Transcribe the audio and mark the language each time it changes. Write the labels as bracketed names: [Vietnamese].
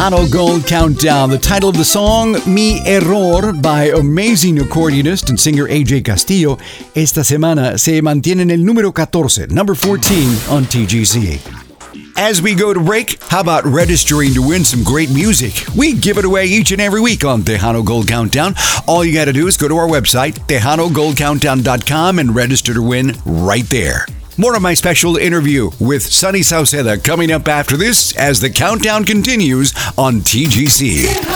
[English] Gold Countdown, the title of the song, Mi Error, by amazing accordionist and singer AJ Castillo. [Spanish] Esta semana se mantiene en el número 14, [English] number 14 on TGZ. As we go to break, how about registering to win some great music? We give it away each and every week on Tejano Gold Countdown. All you gotta do is go to our website, TejanoGoldCountdown.com, and register to win right there. More of my special interview with Sonny Sauceda coming up after this as the countdown continues on TGC.